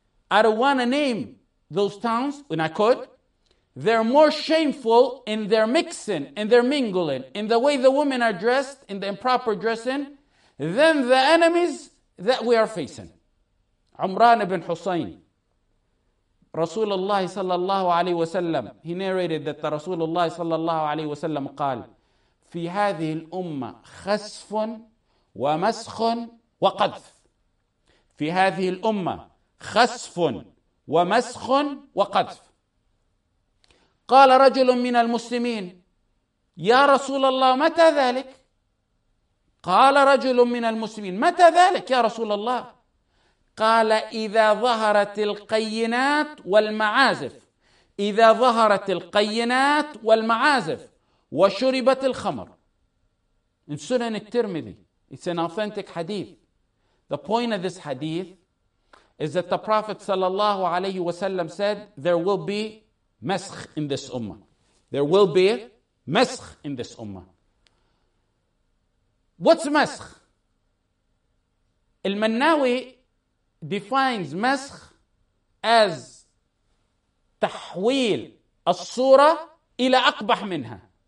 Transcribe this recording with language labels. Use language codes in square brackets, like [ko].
[en] I don't want to name those towns, when I could. They're more shameful in their mixing, in their mingling, in the way the women are dressed, in the improper dressing, than the enemies that we are facing. Umran ibn Husayn, Rasulullah sallallahu alayhi wa sallam, he narrated that the Rasulullah sallallahu alayhi wa sallam [ar] قال, في هذه الأمة خسف ومسخ وقذف. في هذه الأمة خسف ومسخ وقذف. قال رجل من المسلمين يا رسول الله متى ذلك؟ قال رجل من المسلمين متى ذلك يا رسول الله؟ قال إذا ظهرت القينات والمعازف إذا ظهرت القينات والمعازف وشربت الخمر. من سنن الترمذي [en] It's an authentic hadith. The point of this hadith is that the Prophet sallallahu alayhi wasallam said, there will be maskh in this ummah. There will be maskh in this ummah. What's maskh? Al-Mannawi defines maskh as [ar] tahwil as-surah ila aqbah minha.